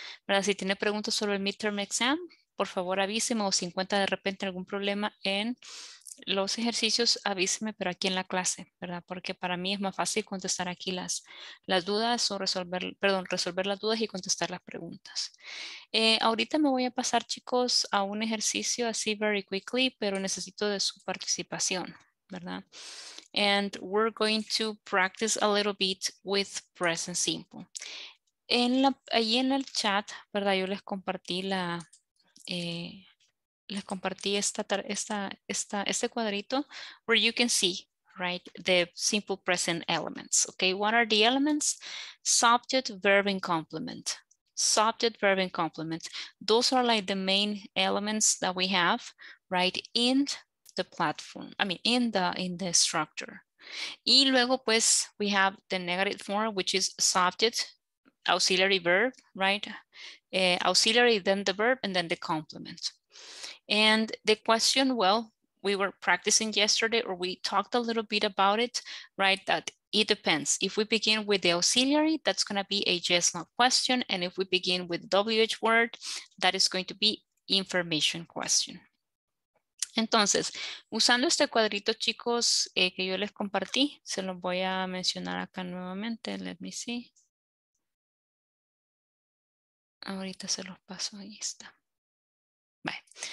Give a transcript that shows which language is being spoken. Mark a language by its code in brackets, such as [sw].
[es] Pero si tiene preguntas sobre el midterm exam, por favor avíseme, o si encuentra de repente algún problema en los ejercicios, avíseme, pero aquí en la clase, ¿verdad? Porque para mí es más fácil contestar aquí las dudas o resolver las dudas y contestar las preguntas. Ahorita me voy a pasar, chicos, a un ejercicio así [en] very quickly, [es] pero necesito de su participación, ¿verdad? [en] And we're going to practice a little bit with present simple. [es] Allí en el chat, ¿verdad? Yo les compartí este cuadrito [en] where you can see, right, the simple present elements. Okay, what are the elements? Subject, verb, and complement. Subject, verb, and complement. Those are like the main elements that we have, right, in the platform. I mean, in the structure. [es] Y luego, pues, [en] we have the negative form, which is subject, auxiliary verb, right? Auxiliary, then the verb, and then the complement. And the question, well, we were practicing yesterday, or we talked a little bit about it, right? That It depends. If we begin with the auxiliary, that's going to be a yes, no question. And if we begin with WH word, that is going to be information question. [es] Entonces, usando este cuadrito, chicos, que yo les compartí, se los voy a mencionar acá nuevamente. [en] Let me see. [es] Ahorita se los paso, ahí está. Vale.